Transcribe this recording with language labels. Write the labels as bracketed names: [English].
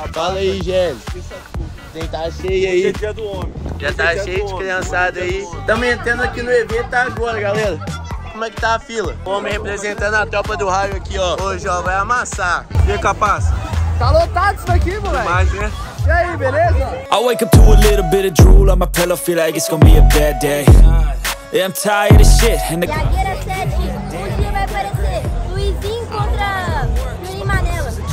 [Portuguese] Fala aí, Gélio. Tá cheio aí. Dia do homem. Já tá cheio de criançada aí. Tamo entrando aqui no evento agora, galera. Como é que tá a fila? O homem representando a tropa do Raio aqui, ó. Hoje, ó, vai amassar. Vem com a passa. Tá lotado isso daqui, moleque. Demais, né? E aí, beleza? [English] I wake up to a little bit of drool on my pillow, feel like it's gonna be a bad day. I'm tired of shit. [Portuguese] E aqui era 7. Hoje vai aparecer Luizinho contra Juninho Manela.